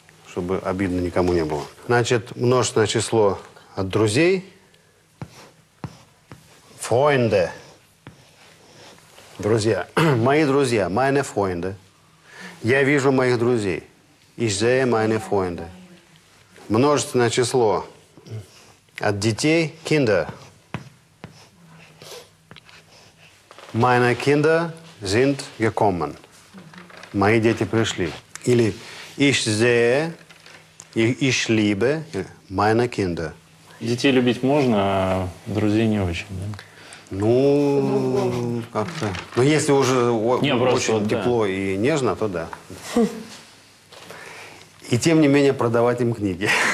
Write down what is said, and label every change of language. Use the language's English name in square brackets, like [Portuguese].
[Russian] Чтобы обидно никому не было. Значит, множественное число от друзей. [German] Freunde. [Russian] Друзья, мои друзья, [German] meine Freunde. [Russian] Я вижу моих друзей. [German] Ich sehe meine Freunde. [Russian] Множественное число от детей, [German] Kinder. Meine Kinder sind gekommen. [Russian] Мои дети пришли. Или [German] ich sehe, ich liebe meine Kinder. [Russian] Детей любить можно, а друзей не очень, да? Ну, как-то. Ну, если уже тепло и нежно, то да. И тем не менее продавать им книги.